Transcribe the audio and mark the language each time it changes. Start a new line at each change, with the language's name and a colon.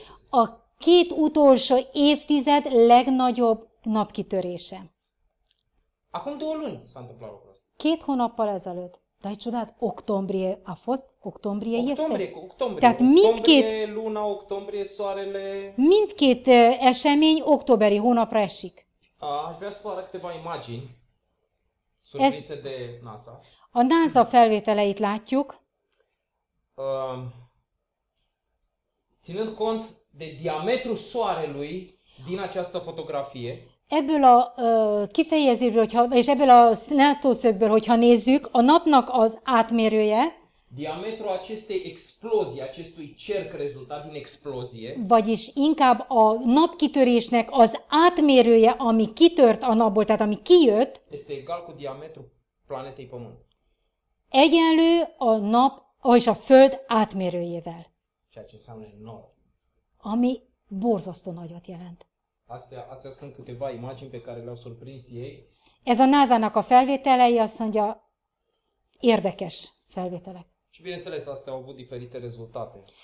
Hungarian: A két utolsó évtized legnagyobb napkitörése.
Romanian: Acum două luni s-a întâmplat lucrul ăsta.
Hungarian: Két hónappal ezelőtt.
Romanian: De ai ciudat, octombrie a fost? Octombrie, octombrie este? Octombrie,
Hungarian: tehát mindkét,
Romanian: octombrie, luna, octombrie, soarele.
Hungarian: Mindkét esemény októberi hónapra esik.
Romanian: Aș vrea să arăt câteva imagini.
Hungarian: Ez de NASA. A NASA felvételeit látjuk.
Romanian: Ținând cont de diametrul soarelui din această fotografie.
Hungarian: Ebből a kifejezőből, hogyha, és ebből a látószögből, hogyha nézzük, a napnak az átmérője.
Romanian: Diametrul acestei explozii, acestui cerc rezultat din explozie.
Hungarian: Vagyis inkább a napkitörésnek az átmérője, ami kitört a napból, tehát ami kijött.
Romanian: Este egal cu diametrul planetei Pământ.
Hungarian: Egyenlő a nap és a Föld átmérőjével.
Romanian: Ceea ce înseamnă enorm.
Hungarian: Ami borzasztó nagyot jelent.
Romanian: Astea sunt câteva imagini pe care le-au surprins ei.
Hungarian: Ez a NASA-nak a felvételei, azt mondja, érdekes felvételek.
Romanian: Și bineînțeles, astea au avut diferite rezultate.